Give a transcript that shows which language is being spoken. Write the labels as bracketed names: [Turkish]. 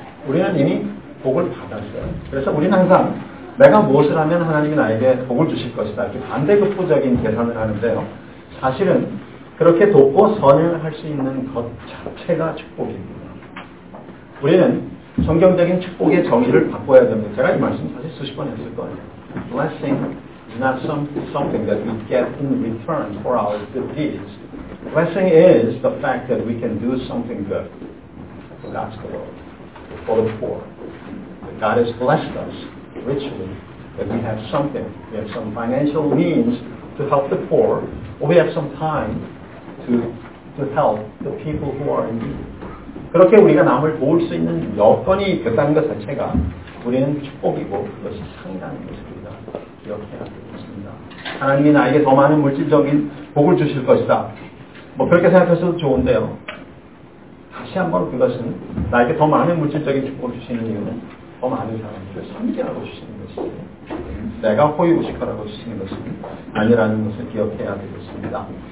[Korean] 우리는 이미 복을 받았어요. 그래서 우리는 항상 내가 무엇을 하면 하나님이 나에게 복을 주실 것이다. 이렇게 반대급부적인 계산을 하는데요. 사실은 그렇게 돕고 선을 할 수 있는 것 자체가 축복입니다. 우리는 성경적인 축복의 정의를 바꿔야 됩니다. 제가 이 말씀 사실 수십 번 했을 거예요. [English] Blessing is not something that we get in return for our good deeds. Blessing is the fact that we can do something good for God's glory, for the poor. That God has blessed us richly, that we have something. We have some financial means to help the poor, or we have some time to help the people who are in need. [Korean] 그렇게 우리가 남을 도울 수 있는 여건이 됐다는 것 자체가 우리는 축복이고 그것이 상이라는 것입니다. 기억해야 되겠습니다. 하나님이 나에게 더 많은 물질적인 복을 주실 것이다. 뭐 그렇게 생각하셔도 좋은데요. 다시 한번 그것은 나에게 더 많은 물질적인 축복을 주시는 이유는 더 많은 사람들을 섬기라고 주시는 것이지 내가 호의호식하라고 주시는 것은 아니라는 것을 기억해야 되겠습니다.